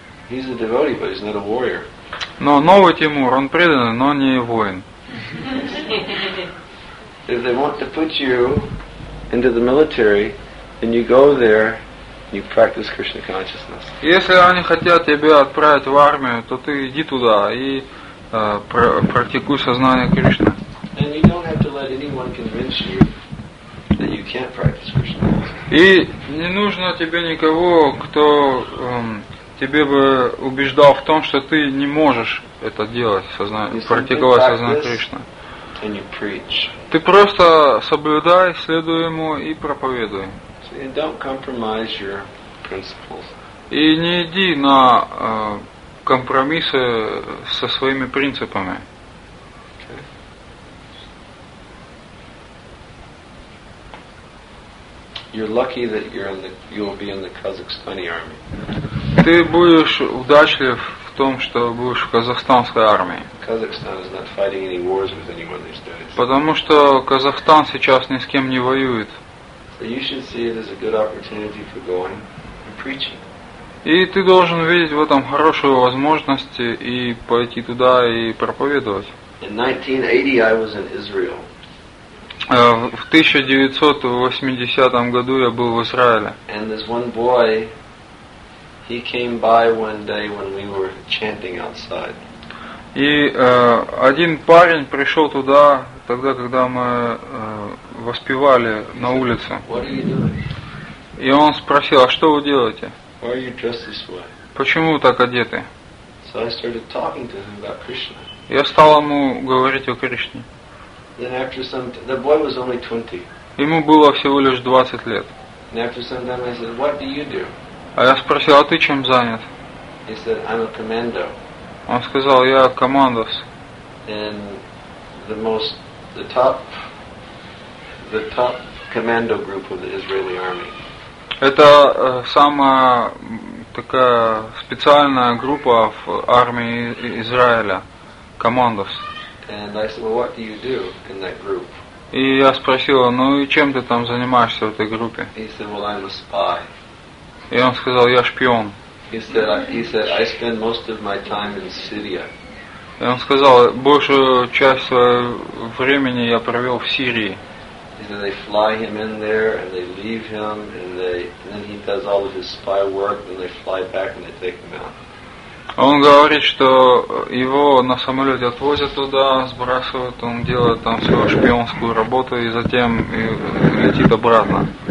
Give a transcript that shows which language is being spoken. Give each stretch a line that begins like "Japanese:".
English: He's a devotee, but he's not a warrior.
Russian: Но новый Тимур, он преданный, но не воин.
English: If they want to put you into the military, then you go there, you practice Krishna consciousness.
Russian: Если они хотят тебя отправить в армию, то ты иди туда и практикуй сознание Кришны.
English: And you don't have to let anyone convince you that you can't practice Krishna.
Russian: И не нужно тебе никого, кто тебе бы убеждал в том, что ты не можешь это делать, практиковать сознание Кришны. Ты просто соблюдай, следуй ему и проповедуй. И не иди на компромиссы со своими принципами.
English: You're lucky that you'll be in the Kazakhstani army.
Russian: Ты будешь удачлив в том, что будешь в казахстанской армии.
English: Kazakhstan is not fighting any wars with anyone these days.
Russian: Потому что Казахстан сейчас ни с кем не воюет.
English: So you should see it as a good opportunity for going and preaching.
Russian: И ты должен видеть в этом хорошую возможность и пойти туда и проповедовать.
English: In 1980 I was in Israel.
Russian: В 1980 году я был в Израиле.
English: And this one boy, he came by one day when we were chanting outside.
Russian: И один парень пришел туда тогда, когда мы воспевали на улице.
English: What are you doing?
Russian: И он спросил: «А что вы делаете?
English: Why are you dressed this way?
Russian: Почему вы так одеты?»
English: So I started talking to him about Krishna.
Russian: Я стал ему говорить о Кришне.
English: Then after some, the boy was only 20.
Russian: Ему было всего лишь 20 лет.
English: And after some time, I said, "What do you do?"
Russian: А я спросил: "А ты чем занят?"
English: He said, "I'm a commando."
Russian: Он сказал: "Я командос."
English: And the most the top commando group of the Israeli army.
Russian: Это самая такая специальная группа в армии Израиля, командос.
English: And I said, well, what do you do in that group?
Russian: И я спросил, ну и чем ты там занимаешься в этой группе?
English: He said, well, I'm a spy.
Russian: И он сказал, я шпион.
English: He said, I spend most of my time in Syria.
Russian: И он сказал, большую часть своего времени я провел в Сирии.
English: He said, they fly him in there and they leave him and then he does all of his spy work and they fly back and they take him out.
Russian: Он говорит, что его на самолете отвозят туда, сбрасывают, он делает там свою шпионскую работу и затем летит обратно.